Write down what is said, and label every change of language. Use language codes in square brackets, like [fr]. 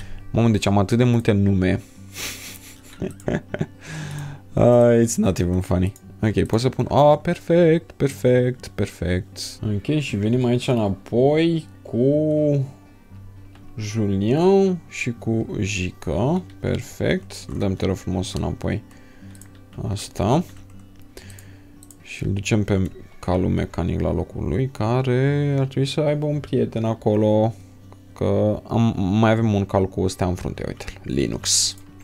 [ro] Mamă, deci am atât de multe nume. [en] It's not even funny. Ok, [ro] pot să pun... Ah, perfect, perfect, perfect. Ok, și venim aici înapoi cu Julien și cu Jica. Perfect, dă-mi te rog frumos înapoi asta. Și îl ducem pe... calul mecanic la locul lui, care ar trebui să aibă un prieten acolo, că am, mai avem un cal cu ăstea în frunte, uite, Linux.